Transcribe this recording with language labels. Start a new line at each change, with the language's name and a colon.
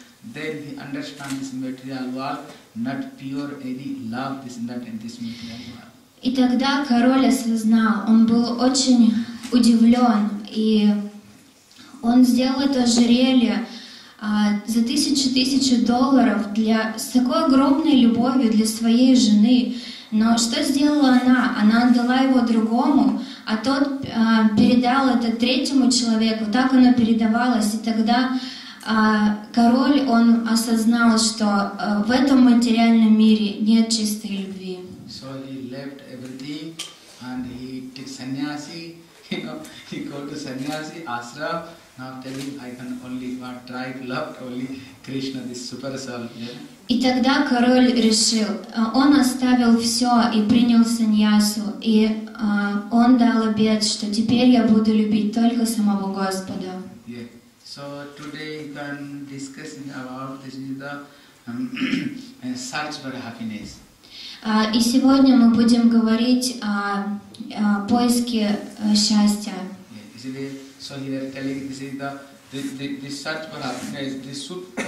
English: Then he understands this material world, not pure any love, this not in this material world.
Russian: И тогда король осознал, он был очень удивлен, и он сделал это ожерелье. За тысячу долларов для с такой огромной любовью для своей жены, но что сделала она? Она отдала его другому, а тот передал это третьему человеку. Так оно передавалось, и тогда король он осознал, что в этом материальном мире нет чистой любви.
English: So he left everything and he took sannyasi. You know, he go to sannyasi ashram. Now tell him I can only want drive love only Krishna this super self.
Russian: И тогда король решил, он оставил все и принял саньясу, и он дал обет, что теперь я буду любить только самого Господа.
English: Yeah. So today you can discuss about this and search for happiness.
Russian: И сегодня мы будем говорить о поиске счастья.
English: Yeah. So he was telling this is the search for happiness, this should